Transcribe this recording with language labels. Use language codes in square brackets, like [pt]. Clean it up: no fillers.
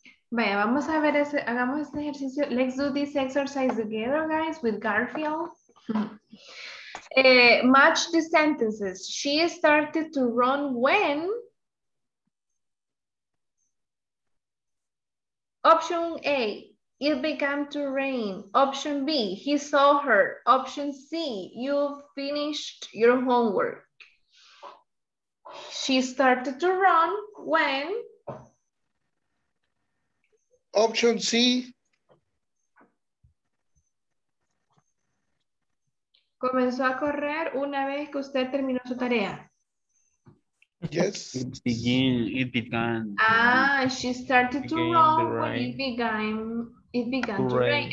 [es] Vaya, vamos a ver ese, hagamos este ejercicio. [en] Let's do this exercise together, guys, with Garfield. match the sentences. She started to run when? Option A, it began to rain. Option B, he saw her. Option C, you finished your homework. She started to run when? Option C. [es] Comenzó a correr una vez que usted terminó su tarea. [en] Yes. It began. She started to run when it began to rain.